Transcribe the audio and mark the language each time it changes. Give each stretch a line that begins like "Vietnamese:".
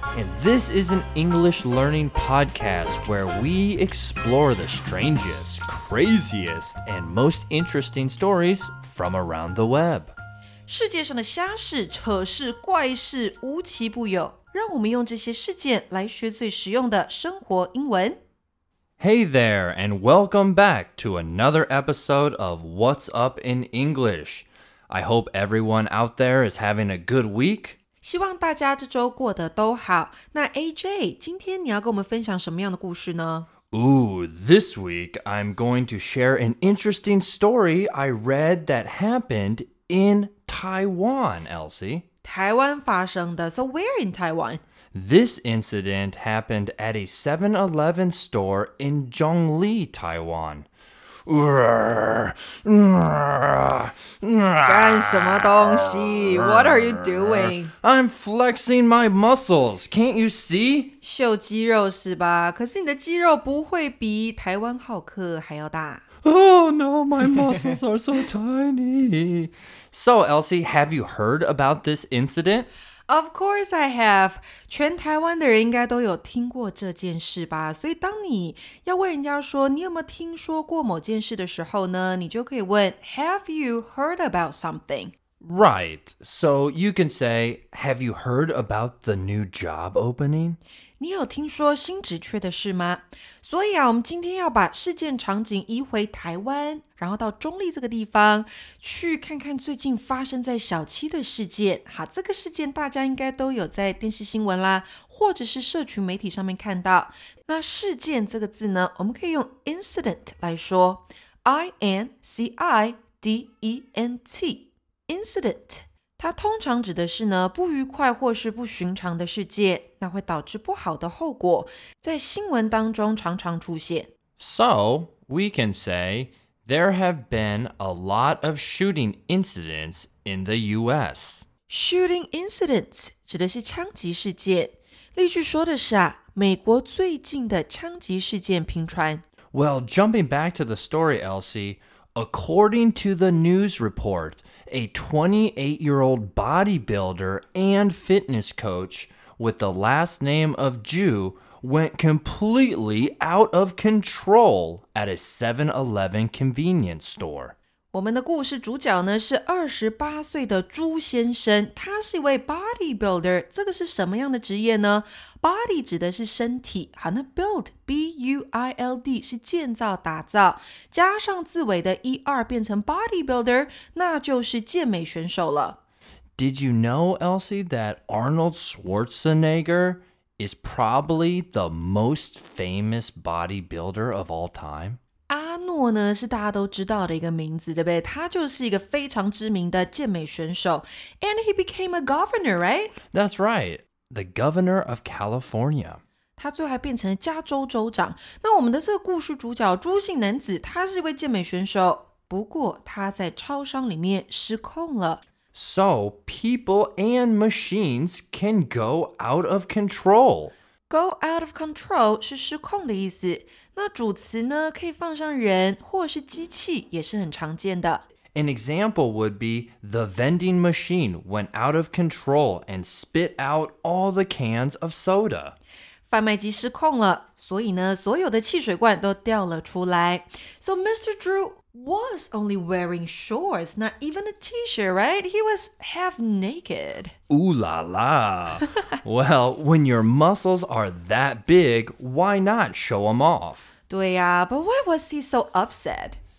English: And this is an English learning podcast where we explore the strangest, craziest, and most interesting stories from around the web.
Chinese: 世界上的瞎事、扯事、怪事无奇不有，让我们用这些事件来学最实用的生活英文。
English: Hey there, and welcome back to another episode of What's Up in English. I hope everyone out there is having a good week.
Chinese: 希望大家这周过得都好。那 AJ, 今天你要跟我们分享什么样的故事呢？
English: Ooh, this week I'm going to share an interesting story I read that happened in Taiwan, Elsie.
Chinese: 台湾发生的 ,
English: so where in Taiwan? This incident happened at a 7-Eleven store in Zhongli, Taiwan.
Chinese: 干什么东西?
English: What are you doing? I'm flexing my muscles, can't you see?
Chinese: 秀肌肉是吧? 可是你的肌肉不会比台湾浩克还要大。
English: Oh no, my muscles are so tiny. So, Elsie, have you heard about this incident? Of course I have.
Chinese: 全台湾的人应该都有听过这件事吧。所以当你要问人家说你有没有听说过某件事的时候呢，你就可以问
English: Have you heard about something? Right. So you can say, Have you heard about the new job opening?
Chinese: 你有听说新职缺的事吗？所以啊，我们今天要把事件场景移回台湾，然后到中立这个地方去看看最近发生在小七的事件。好，这个事件大家应该都有在电视新闻啦，或者是社群媒体上面看到。那事件这个字呢，我们可以用 incident 来说 ,I-N-C-I-D-E-N-T, incident。它通常指的是呢不愉快或是不寻常的事件，那会导致不好的后果，在新闻当中常常出现。
English: So, we can say... There have been a lot of shooting incidents in the U.S.
Chinese: Shooting incidents 指的是枪击事件。例句说的是啊，美国最近的枪击事件频传。
English: Well, jumping back to the story, Elsie, according to the news report, a 28-year-old bodybuilder and fitness coach with the last name of Jew... went completely out of control at a 7-Eleven convenience store.
Chinese: 我们的故事主角呢是28岁的朱先生，他是一位 bodybuilder, 这个是什么样的职业呢？ Body 指的是身体，好，那 build, B-U-I-L-D, 是建造打造，加上字尾的 E-R 变成 bodybuilder, 那就是健美选手了。
English: Did you know, Elsie, that Arnold Schwarzenegger... is probably the most famous bodybuilder of all time.
Chinese: 阿诺呢是大家都知道的一个名字，对不对？他就是一个非常知名的健美选手。
English: And he became a governor, right? That's right. The governor of California.
Chinese: 他最后还变成了加州州长。那我们的这个故事主角朱姓男子，他是一位健美选手，不过他在超商里面失控了。
English: So, people and machines can go out of control. Go out of control
Chinese: 是失控的意思。那主词呢，可以放上人或是机器，也是很常见的。
English: An example would be the vending machine went out of control and spit out all the cans of soda.
Chinese: 贩卖机失控了，所以呢，所有的汽水罐都掉了出来。
English: So, Mr. Drew... was only wearing shorts, not even a t-shirt, right? He was half naked. Ooh la la. Well, when your muscles are that big, why not show them off?
Chinese: 对呀、啊、
English: but why was he so upset?